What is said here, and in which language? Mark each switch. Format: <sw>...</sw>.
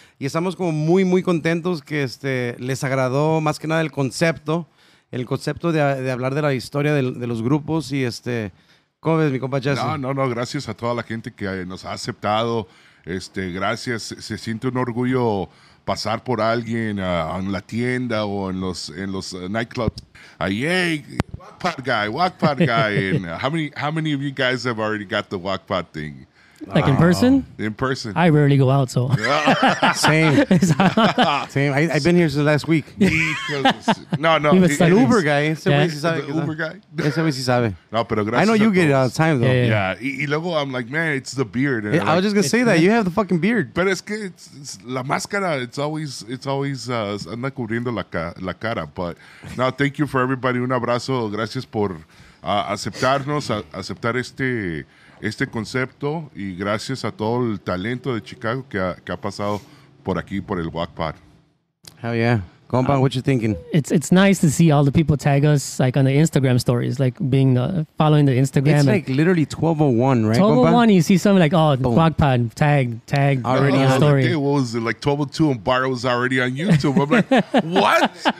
<es>Y estamos como muy, muy contentos que les agradó más que nada el concepto de hablar de la historia de los grupos. Y ¿cómo ves, mi compa Jesse? No, gracias a toda la gente que nos ha aceptado. Gracias, se siente un orgullo pasar por alguien en la tienda o en los nightclubs.</es> <en>Hey, walk part guy. And how many of you guys have already got the walk part thing? Like in person? In person. I rarely go out, so. Same. I've been here since last week. No.</en> <es>El Uber guy. Ese güey sí sabe. No, pero gracias.</es> <en>I know you get it all the time, though. Yeah. Y luego I'm like, man, it's the beard. And I was just going to say that. You have the fucking beard.</en> <es>Pero es que</es> <en>it's</en> <es>la máscara.</es> <en>It's always</en> <es>anda cubriendo la cara.</es> <en>But now, thank you for everybody.</en> <es>Un abrazo. Gracias por aceptarnos, aceptar este concepto, y gracias a todo el talento de Chicago que ha pasado por aquí, por el WAC Pod.</es> <en>Hell yeah. Compa, what you thinking? It's nice to see all the people tag us, like on the Instagram stories, like being following the Instagram. It's like literally 12:01, right? 12:01, you see something like, oh, WAC Pod, tag, already on story. Like, hey, what was it, like 12:02, and Bar was already on YouTube. I'm like, what?</en>